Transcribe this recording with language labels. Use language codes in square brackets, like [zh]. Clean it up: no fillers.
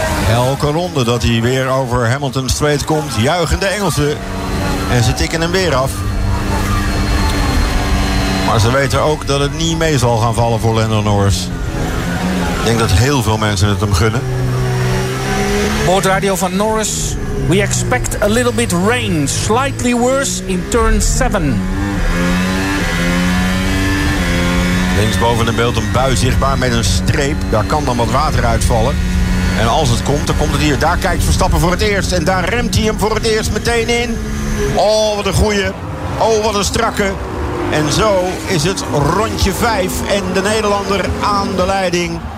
[nl] Elke ronde dat hij weer over Hamilton Straight komt, juichen de Engelsen. En ze tikken hem weer af. Maar ze weten ook dat het niet mee zal gaan vallen voor Lando Norris. Ik denk dat heel veel mensen het hem gunnen. Boordradio van Norris. [en] We expect a little bit rain, slightly worse in turn 7. [nl] Linksboven in beeld een bui zichtbaar met een streep. Daar kan dan wat water uitvallen. En als het komt, dan komt het hier. Daar kijkt Verstappen voor het eerst. En daar remt hij hem voor het eerst meteen in. Oh, wat een goeie. Oh, wat een strakke. En zo is het rondje 5. En de Nederlander aan de leiding.